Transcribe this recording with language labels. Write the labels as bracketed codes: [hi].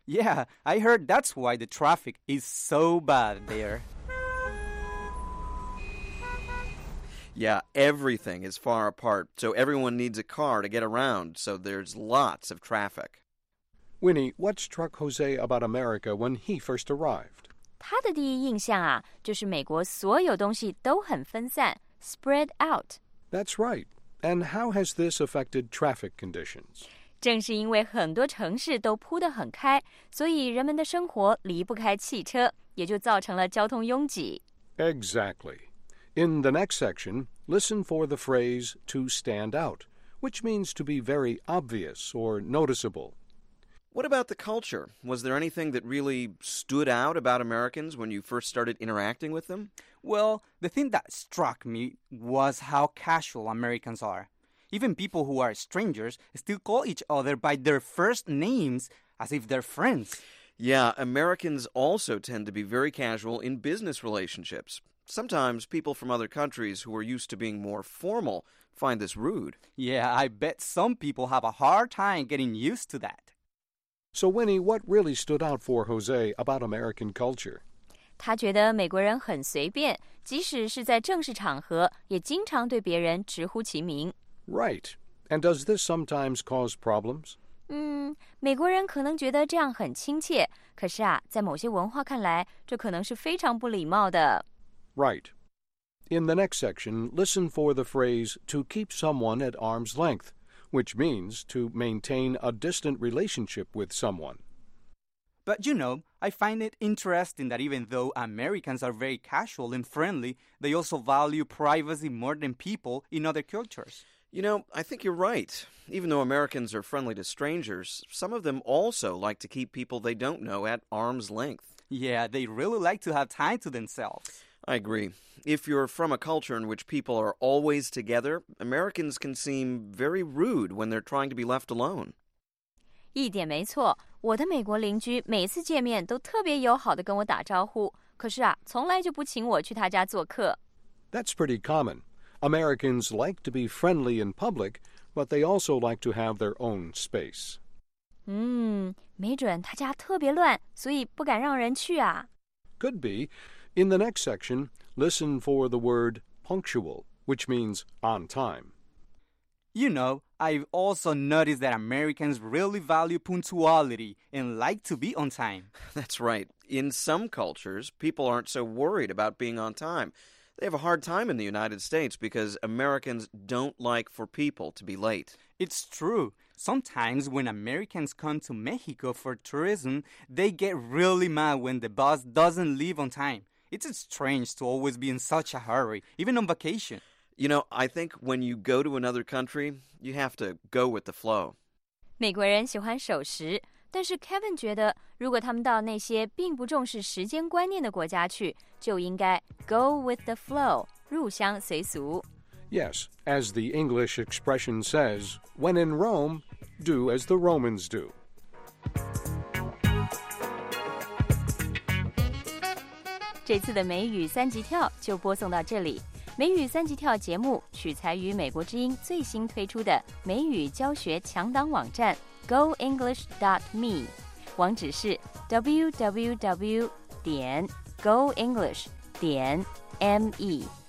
[en] Yeah, I heard that's why the traffic is so bad there. Yeah, everything is far apart, so everyone needs a car to get around, so there's lots of traffic. Winnie, what struck Jose about America when he first arrived? [zh] 他的第一印象啊，就是美国所有东西都很分散。 [en] Spread out. That's right. And how has this affected traffic conditions? [zh] 正是因为很多城市都铺得很开，所以人们的生活离不开汽车，也就造成了交通拥挤。 [en] Exactly. In the next section, listen for the phrase to stand out, which means to be very obvious or noticeable. What about the culture? Was there anything that really stood out about Americans when you first started interacting with them? Well, the thing that struck me was how casual Americans are. Even people who are strangers still call each other by their first names as if they're friends. Yeah, Americans also tend to be very casual in business relationships. Sometimes people from other countries who are used to being more formal find this rude. Yeah, I bet some people have a hard time getting used to that. So, Winnie, what really stood out for Jose about American culture? [zh] 他觉得美国人很随便，即使是在正式场合，也经常对别人直呼其名。 [en] Right. And does this sometimes cause problems? [zh] 美国人可能觉得这样很亲切，可是啊，在某些文化看来，这可能是非常不礼貌的。 [en] Right. In the next section, listen for the phrase to keep someone at arm's length. Which means to maintain a distant relationship with someone. But you know, I find it interesting that even though Americans are very casual and friendly, they also value privacy more than people in other cultures. You know, I think you're right. Even though Americans are friendly to strangers, some of them also like to keep people they don't know at arm's length. Yeah, they really like to have time to themselves. I agree. If you're from a culture in which people are always together, Americans can seem very rude when they're trying to be left alone. [zh] 一点没错，我的美国邻居每次见面都特别友好地跟我打招呼，可是啊，从来就不请我去他家做客。 [en] That's pretty common. Americans like to be friendly in public, but they also like to have their own space. [zh] 没准他家特别乱，所以不敢让人去啊。 [en] Could be. In the next section, listen for the word punctual, which means on time. You know, I've also noticed that Americans really value punctuality and like to be on time. That's right. In some cultures, people aren't so worried about being on time. They have a hard time in the United States because Americans don't like for people to be late. It's true. Sometimes when Americans come to Mexico for tourism, they get really mad when the bus doesn't leave on time. It's strange to always be in such a hurry, even on vacation. You know, I think when you go to another country, you have to go with the flow. [zh] 美国人喜欢守时，但是 Kevin 觉得，如果他们到那些并不重视时间观念的国家去，就应该 [en] go with the flow, [zh] 入乡随俗。 [en] Yes, as the English expression says, when in Rome, do as the Romans do. [zh] 这次的美语三级跳就播送到这里。美语三级跳节目取材于美国之音最新推出的美语教学强档网站 goenglish.me， 网址是 www.goenglish.me。